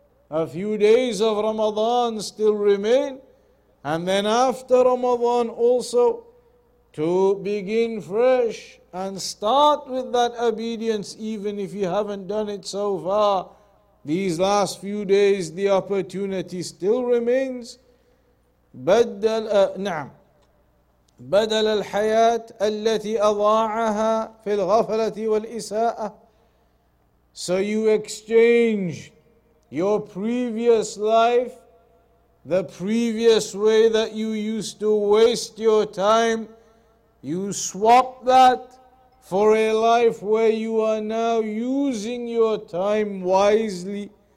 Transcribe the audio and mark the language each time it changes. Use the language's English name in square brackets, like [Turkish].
[English] A few days of Ramadan still remain, and then after Ramadan also, to begin fresh and start with that obedience, even if you haven't done it so far. These last few days, the opportunity still remains. [Arabic] نعم بدل الحياة التي أضاعها في الغفلة والإساءة. [English] So you exchange your previous life, the previous way that you used to waste your time, you swap that for a life where you are now using your time wisely.